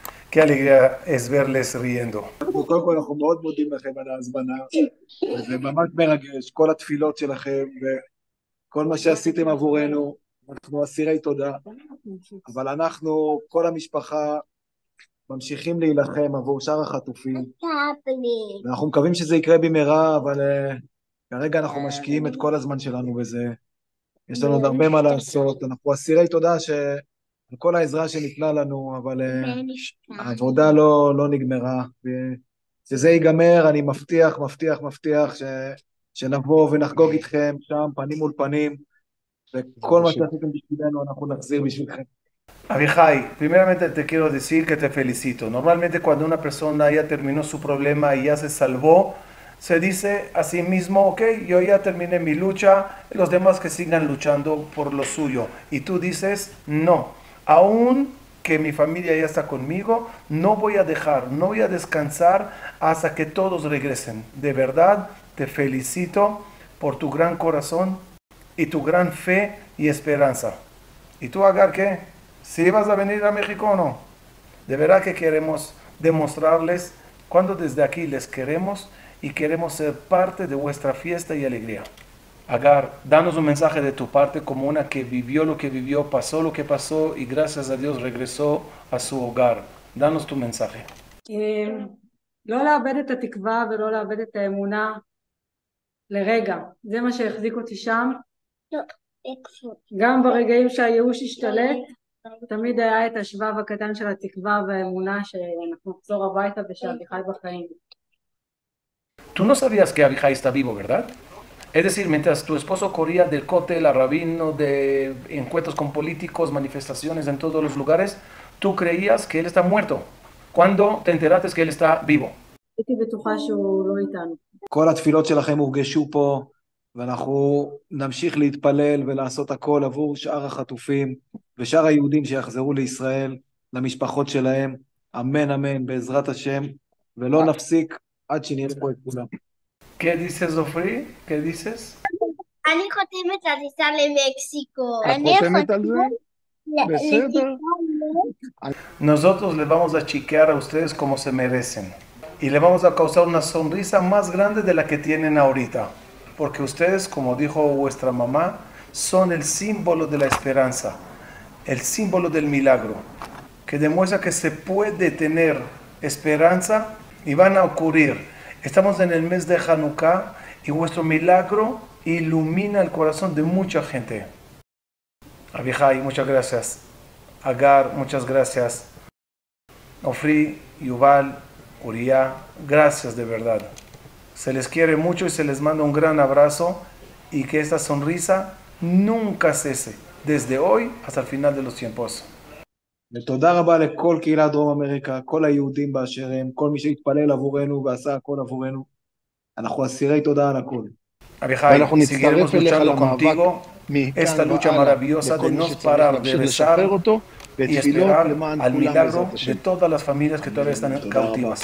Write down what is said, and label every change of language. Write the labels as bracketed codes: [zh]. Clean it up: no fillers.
[es] Qué alegría es verles riendo. [he] קודם כל אנחנו מאוד מודים לכם על ההזמנה, וזה ממש מרגש, כל התפילות שלכם וכל מה שעשיתם עבורנו, אנחנו אסירי תודה, אבל אנחנו, כל המשפחה, ממשיכים להילחם עבור שאר החטופים, ואנחנו מקווים שזה יקרה במהרה, אבל כרגע אנחנו משקיעים את כל הזמן שלנו בזה, יש לנו עוד הרבה מה לעשות, אנחנו אסירי תודה על כל העזרה שניתנה לנו, אבל העבודה לא נגמרה. כשזה ייגמר, אני מבטיח, מבטיח, מבטיח שנבוא ונחגוג איתכם שם, פנים מול פנים, וכל מה שעשיתם בשבילנו, אנחנו נחזיר בשבילכם. [es] Abihai, primeramente te quiero decir que te felicito. Normalmente cuando una persona ya terminó su problema y ya se salvó, se dice a sí mismo, ok, yo ya terminé mi lucha, los demás que sigan luchando por lo suyo. Y tú dices, no, aún que mi familia ya está conmigo, no voy a dejar, no voy a descansar hasta que todos regresen. De verdad, te felicito por tu gran corazón y tu gran fe y esperanza. ¿Y tú, Agar, qué? ¿Sí vas a venir a México o no? De verdad que queremos demostrarles cuánto desde aquí les queremos y queremos ser parte de vuestra fiesta y alegría. Agar, danos un mensaje de tu parte como una que vivió lo que vivió, pasó lo que pasó y gracias a Dios regresó a su hogar. Danos tu mensaje. [he] לא לאבד את התקווה ולא לאבד את האמונה לרגע. זה מה שהחזיק אותי שם. גם ברגעים שהייאוש השתלט, תמיד היה את השבב הקטן של התקווה והאמונה שאנחנו נחזור הביתה ושאביחי בחיים. [es] Tú no sabías que Abihai está vivo, ¿verdad? Es decir, mientras tu esposo corría del cótel al rabino, de encuentros con políticos, manifestaciones en todos los lugares, tú creías que él está muerto. ¿Cuándo te enteraste que él está vivo? [he] הייתי בטוחה שהוא לא איתנו. כל התפילות שלכם הורגשו פה, ואנחנו נמשיך להתפלל ולעשות הכל עבור שאר החטופים ושאר היהודים שיחזרו לישראל, למשפחות שלהם. אמן, אמן, בעזרת השם, ולא נפסיק עד שנהיה פה את כולם. [es] ¿Qué dices, Ofri? ¿Qué dices? [he] אני חותמת על טיסה למקסיקו. [es] ¿Estás contenta con eso? [he] אני ¿Beseta? חותמת. [es] Nosotros les vamos a chiquear a ustedes como se merecen y le vamos a causar una sonrisa más grande de la que tienen ahorita, porque ustedes, como dijo vuestra mamá, son el símbolo de la esperanza, el símbolo del milagro, que demuestra que se puede tener esperanza y van a ocurrir. Estamos en el mes de Hanukkah y vuestro milagro ilumina el corazón de mucha gente. Abihai, muchas gracias. Agar, muchas gracias. Ofri, Yuval, Uriah, gracias de verdad. Se les quiere mucho y se les manda un gran abrazo y que esta sonrisa nunca cese, desde hoy hasta el final de los tiempos. [he] תודה רבה לכל קהילת דרום אמריקה, כל היהודים באשר הם, כל מי שהתפלל עבורנו ועשה הכל עבורנו. אנחנו אסירי תודה על הכל. [es] אביחי, seguiremos luchando contigo esta lucha maravillosa de no parar de rezar y esperar al milagro de todas las familias que todavía están cautivas.